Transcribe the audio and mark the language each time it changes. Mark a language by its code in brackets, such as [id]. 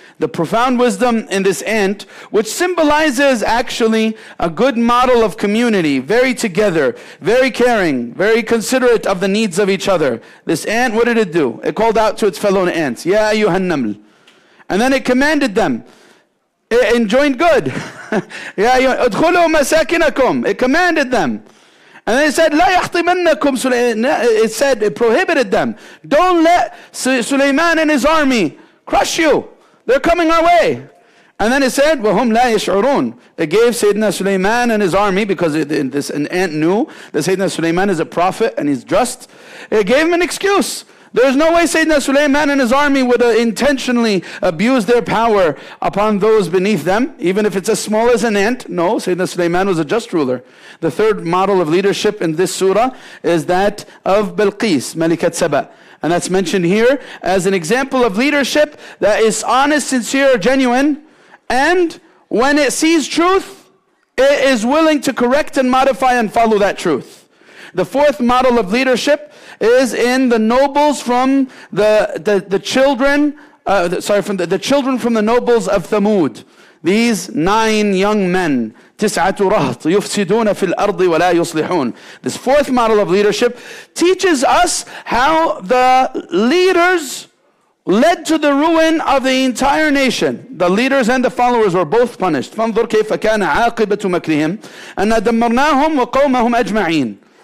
[en] The profound wisdom in this ant, which symbolizes actually a good model of community, very together, very caring, very considerate of the needs of each other. This ant, what did it do? It called out to its fellow ants, [ar] يَا أَيُّهَا النَّمْلِ. [en] And then it commanded them, it enjoined good. [ar] يَا أَيُّهَا ادْخُلُوا مَسَاكِنَكُمْ. [en] It commanded them. And it said, [ar] لَا يَحْطِمَنَّكُمْ سُلَيْمَانَ. [en] It said, it prohibited them. Don't let Sulaiman and his army crush you. They're coming our way. And then it said, [ar] وَهُمْ لَا يَشْعُرُونَ. [en] It gave Sayyidina Sulaiman and his army, because this an ant knew that Sayyidina Sulaiman is a prophet and he's just. It gave him an excuse. There's no way Sayyidina Sulaiman and his army would intentionally abuse their power upon those beneath them, even if it's as small as an ant. No, Sayyidina Sulaiman was a just ruler. The third model of leadership in this surah is that of Bilqis, Malikat Saba. And that's mentioned here as an example of leadership that is honest, sincere, genuine, and when it sees truth, it is willing to correct and modify and follow that truth. The fourth model of leadership is in the nobles from the children from the nobles of Thamud. These nine young men, [ar] تسعة رهط يفسدون في الأرض ولا يصلحون. [en] This fourth model of leadership teaches us how the leaders led to the ruin of the entire nation. The leaders and the followers were both punished. [ar] فانظر كيف كان عاقبة مكرهم أن دمرناهم وقومهم أجمعين.